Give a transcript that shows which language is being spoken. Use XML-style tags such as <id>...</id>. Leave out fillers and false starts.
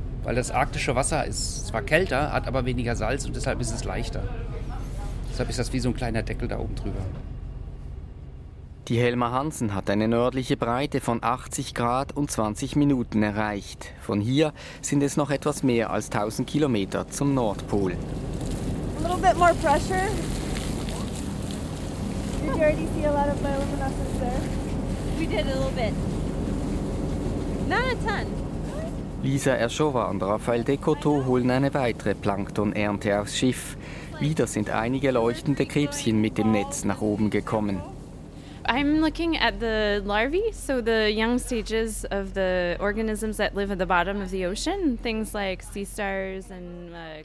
<de>Weil das arktische Wasser ist zwar kälter, hat aber weniger Salz und deshalb ist es leichter. Deshalb ist das wie so ein kleiner Deckel da oben drüber. Die Helma Hansen hat eine nördliche Breite von 80 Grad und 20 Minuten erreicht. Von hier sind es noch etwas mehr als 1000 Kilometer zum Nordpol.</de> <en>A little bit more pressure. Did you already see a lot of bioluminescence there? We did a little bit. Not a ton.</en> <de>Lisa Erschowa und Raphael Decoteau holen eine weitere Planktonernte aufs Schiff. Wieder sind einige leuchtende Krebschen mit dem Netz nach oben gekommen.</de> <en>I'm looking at the larvae, so the young stages of the organisms that live at the bottom of the ocean, things like sea stars and clams.</en>